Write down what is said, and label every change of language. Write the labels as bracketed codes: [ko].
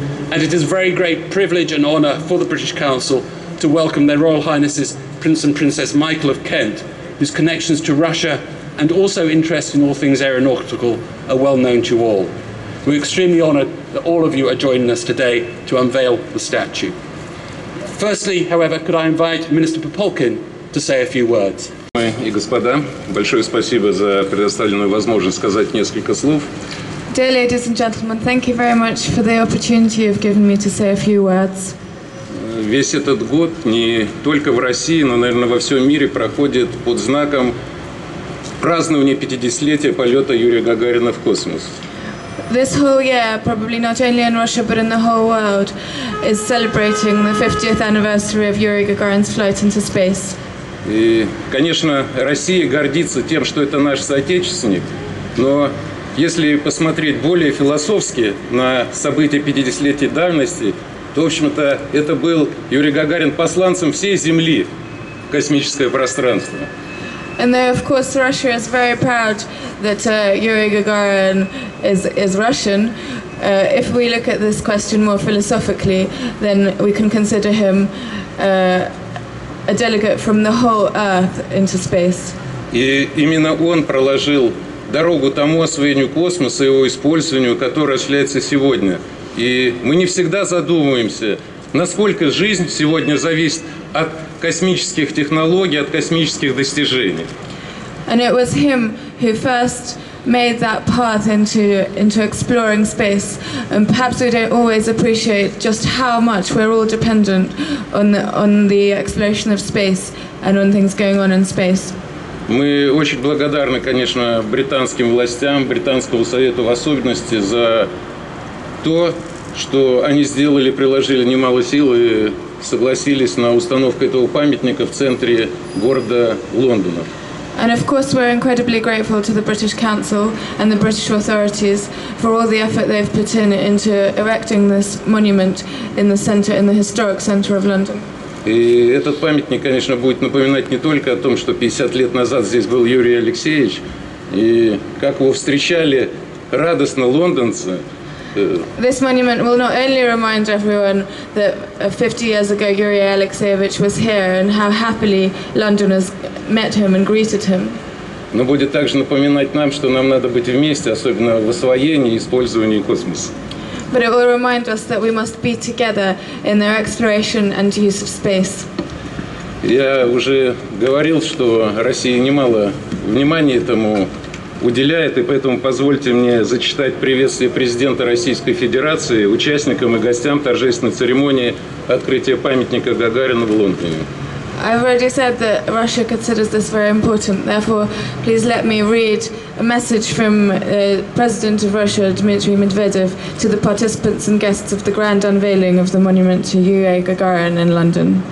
[en] And it is a very great privilege and honour for the British Council to welcome their Royal Highnesses Prince and Princess Michael of Kent, whose connections to Russia and also interest in all things aeronautical are well known to all. We're extremely honoured that all of you are joining us today to unveil the statue. Firstly, however, could I invite Minister Popolkin to say a few words. [ru] Мои и господа, большое спасибо за предоставленную возможность сказать несколько слов. [en] Dear ladies and gentlemen, thank you very much for the opportunity you've given me to say a few words. [ru] Весь этот год не только в России, но, наверное, во всем мире проходит под знаком празднования 50-летия полета Юрия Гагарина в космос. [en] This whole year, probably not only in Russia but in the whole world, is celebrating the 50th anniversary of Yuri Gagarin's flight into space. [ru] И, конечно, Россия гордится тем, что это наш соотечественник, но если посмотреть более философски на события 50-летней давности, то, в общем-то, это был Юрий Гагарин посланцем всей Земли в космическое пространство. [en] And though, of course, Russia is very proud that Yuri Gagarin is Russian, if we look at this question more philosophically, then we can consider him a delegate from the whole Earth into space. [ru] И именно он проложил дорогу тому освоению космоса, его использованию, которое осуществляется сегодня. И мы не всегда задумываемся, насколько жизнь сегодня зависит от космических технологий, от космических достижений. [en] And it was him who first made that path into exploring space. And perhaps we don't always appreciate just how much we're all dependent on the exploration of space and on things going on in space. [ru] Мы очень благодарны, конечно, британским властям, Британскому совету в особенности за то, что они сделали, приложили немало сил и согласились на установку этого памятника в центре города Лондона. [en] And of course, we're incredibly grateful to the British Council and the British authorities for all the effort they've put into erecting this monument in the historic center of London. [ru] И этот памятник, конечно, будет напоминать не только о том, что 50 лет назад здесь был Юрий Алексеевич, и как его встречали радостно лондонцы. [en] This monument will not only remind everyone that 50 years ago Yuri Alexeyevich was here and how happily Londoners met him and greeted him. [ru] Но будет также напоминать нам, что нам надо быть вместе, особенно в освоении и использовании космоса. [en] But it will remind us that we must be together in their exploration and use of space. [ru] Я уже говорил, что Россия немало внимания этому уделяет, и поэтому позвольте мне зачитать приветствие президента Российской Федерации участникам и гостям торжественной церемонии открытия памятника Гагарину в Лондоне. [en] I've already said that Russia considers this very important. Therefore, please let me read a message from President of Russia, Dmitry Medvedev, to the participants and guests of the grand unveiling of the monument to Yuri Gagarin in London.